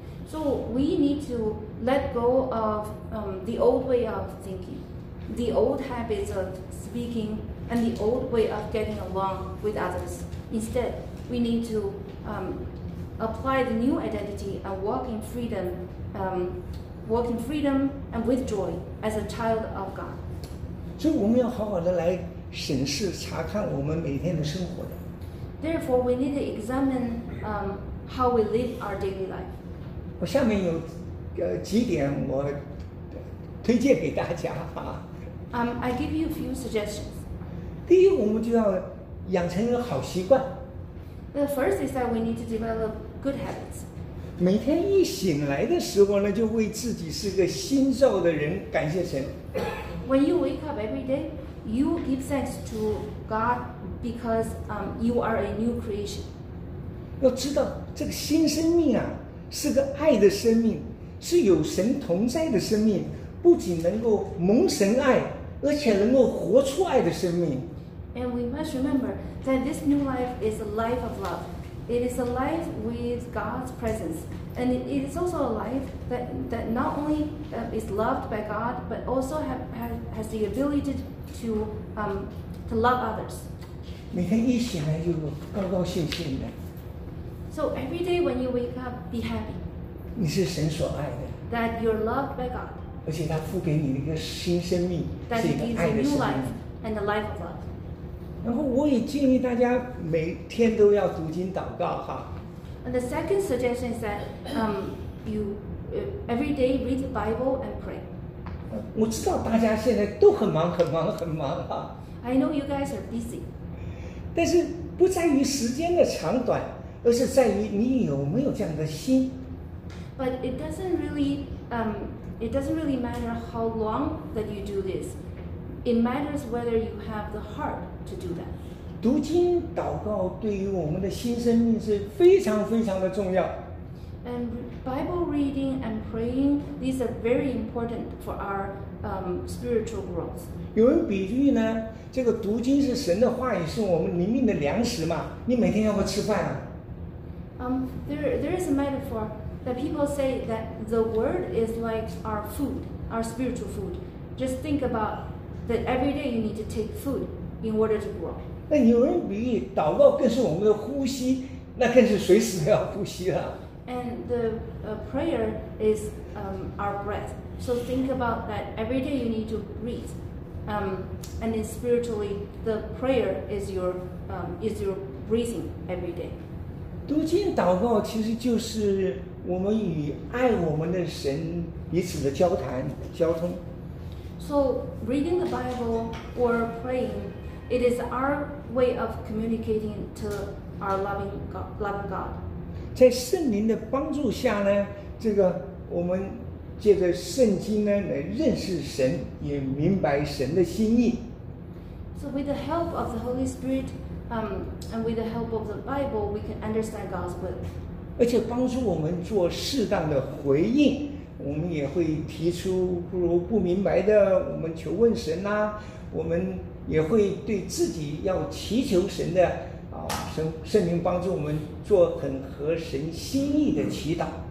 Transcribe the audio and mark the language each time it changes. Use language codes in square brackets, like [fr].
[en] So we need to let go of the old way of thinking, the old habits of speaking, and the old way of getting along with others. Instead, we need to apply the new identity and walk in freedom and with joy as a child of God. [zh] 所以我们要好好的来审视查看我们每天的生活的。 [en] Therefore, we need to examine how we live our daily life. [zh] 我下面有几点我推荐给大家啊。 [en] I give you a few suggestions. [zh] 第一，我们就要养成一个好习惯。 [en] The first is that we need to develop good habits. [zh] 每天一醒来的时候呢，就为自己是个新造的人感谢神。 [en] When you wake up every day, you give thanks to God because you are a new creation. [zh] 要知道这个新生命啊，是个爱的生命，是有神同在的生命，不仅能够蒙神爱，而且能够活出爱的生命。 [en] And we must remember that this new life is a life of love. It is a life with God's presence. And it is also a life that not only is loved by God, but also has the ability to love others. [zh] 每天一醒来就高高兴兴的。 [en] So every day when you wake up, be happy. [zh] 你是神所爱的。 [en] That you're loved by God. [zh] 而且他赋给你一个新生命, [en] that it is a new life and a life of love. [zh] 然后我也建议大家每天都要读经祷告哈。 [en] And the second suggestion is that you every day read the Bible and pray. [zh] 我知道大家现在都很忙很忙很忙哈。 [en] I know you guys are busy. [zh] 但是不在于时间的长短，而是在于你有没有这样的心。 [en] But it doesn't really matter how long that you do this. It matters whether you have the heart to do that. [zh] 读经祷告对于我们的新生命是非常非常的重要。 [en] And Bible reading and praying, these are very important for our spiritual growth. [zh] 有人比喻呢，这个读经是神的话语，是我们灵命的粮食嘛，你每天要不吃饭啊。 [en] There is a metaphor that people say that the word is like our food, our spiritual food. Just think about that every day you need to take food in order to grow. [zh] 那有人比喻祷告更是我们的呼吸，那更是随时要呼吸了。 [en] And the prayer is our breath. So think about that every day you need to breathe. And then spiritually, the prayer is your breathing every day. [zh] 读经祷告其实就是我们与爱我们的神彼此的交谈交通。 [en] So reading the Bible or praying, it is our way of communicating to our loving God. [zh] 在圣灵的帮助下呢，这个我们借着圣经呢来认识神，也明白神的心意。 [en] So with the help of the Holy Spirit, and with the help of the Bible, we can understand God's will. [zh] 而且帮助我们做适当的回应。我们也会提出不明白的，我们求问神啦、我们也会对自己要祈求神的啊，圣灵帮助我们做很合神心意的祈祷。